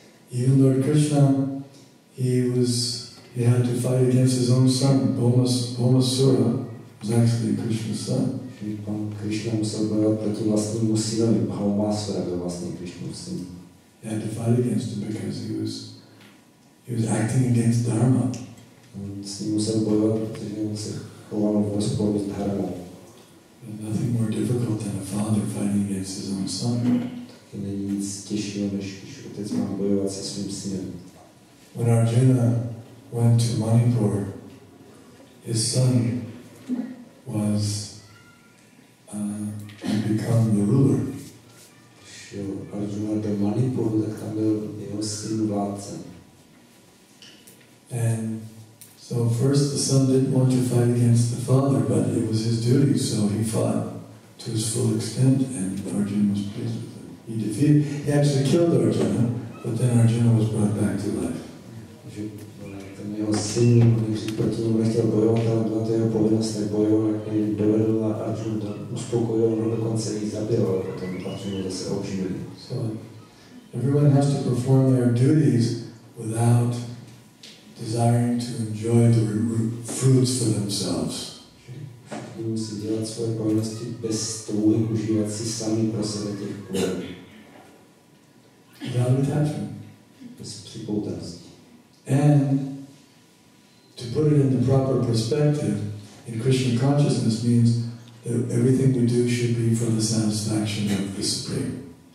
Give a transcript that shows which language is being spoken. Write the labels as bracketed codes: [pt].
[en] Even Lord Krishna, he had to fight against his own son, Bhumasura, was actually Krishna's son. [cs] Krishna musel bojovat proti vlastnímu synovi, Bhumasura byl vlastně Krishna's syn. [en] He had to fight against him because he was acting against dharma. [cs] S ním musel bojovat, protože on se choval v rozporu s dharmou. [en] There's nothing more difficult than a father fighting against his own son. [cs] Taky není nic těžšího, než když otec má bojovat se svým synem. [en] When Arjuna went to Manipur, his son was to become the ruler. [cs] že Arjuna byl manipulován, tak tam byl jeho syn vládce. [en] And so first the son didn't want to fight against the father, but it was his duty, so he fought to his full extent, and Arjuna was pleased with him. He defeated, he actually killed Arjuna, but then Arjuna was brought back to life. [cs] Ten jeho syn, když proti němu nechtěl bojovat, ale byla to jeho povinnost, tak bojoval, jak dovedl a Arjuna uspokojil, no dokonce jí zabil, ale potom Arjuna zase oživili. [en] So, everyone has to perform their duties without desiring to enjoy the fruits for themselves. [cs] Všichni musí dělat svoje povinnosti bez touhy užívat si sami pro sebe těch plodů. [en] Without attachment. [cs] Bez připoutanosti. [en] And to put it in the proper perspective, in Krishna consciousness means that everything we do should be for the satisfaction of the Supreme.